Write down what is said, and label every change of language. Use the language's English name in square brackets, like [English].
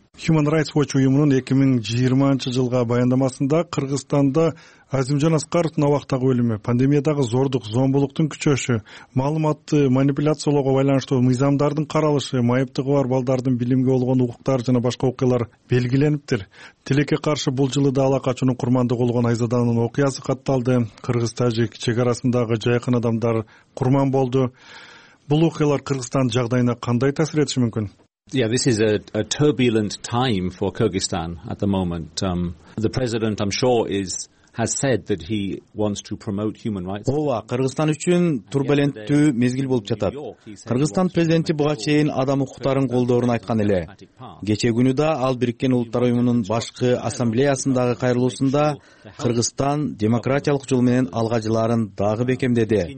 [Kyrgyz] Human Rights Watch уюмунун 2020 жылга баяндамасында Кыргызстанда Азимжан Аскаровдун абактагы өлүмү, пандемиядагы зордук, зомбулуктун күчөшү, маалыматты манипуляциялоого байланыштуу мыйзамдардын каралышы, майыптыгы бар балдардын билимге болгон укуктары жана башка окуялар белгилениптир. Тилекке каршы бул жылы да Ала Качуунун курмандыгы болгон Айзаданын окуясы катталды. Кыргыз тажик чек арасындагы жайкын адамдар курман болду. Бул окуялар Кыргызстан жагдайына кандай таасир этиши мүмкүн? [English] Yeah, this is a turbulent time for Kyrgyzstan at the moment. The president, I'm sure, has said that he wants to promote human rights. [Kyrgyz] Ова, Кыргызстан үчүн турбуленттүү мезгил болуп жатат. Кыргызстан президенти буга чейин адам укуктарын колдоорун айткан эле. Кечээ күнү да ал Бириккен Улуттар Уюмунун башкы ассамблеясындагы кайрылуусунда Кыргызстан демократиялык жол менен алга жылаарын дагы бекемдеди.